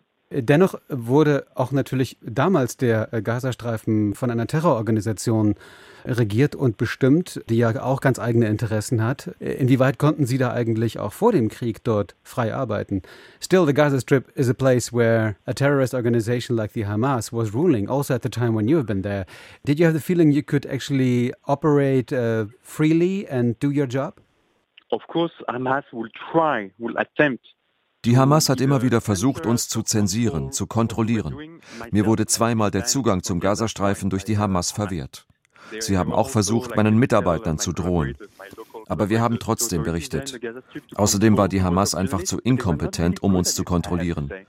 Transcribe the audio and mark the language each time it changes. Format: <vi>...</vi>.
<de>Dennoch wurde auch natürlich damals der Gazastreifen von einer Terrororganisation regiert und bestimmt, die ja auch ganz eigene Interessen hat. Inwieweit konnten Sie da eigentlich auch vor dem Krieg dort frei arbeiten?</de> <en>Still, the Gaza Strip is a place where a terrorist organization like the Hamas was ruling, also at the time when you have been there. Did you have the feeling you could actually operate freely and do your job? Of course, Hamas will attempt.</en> <de>Die Hamas hat immer wieder versucht, uns zu zensieren, zu kontrollieren. Mir wurde 2x der Zugang zum Gazastreifen durch die Hamas verwehrt. Sie haben auch versucht, meinen Mitarbeitern zu drohen. Aber wir haben trotzdem berichtet. Außerdem war die Hamas einfach zu inkompetent, um uns zu kontrollieren.</de>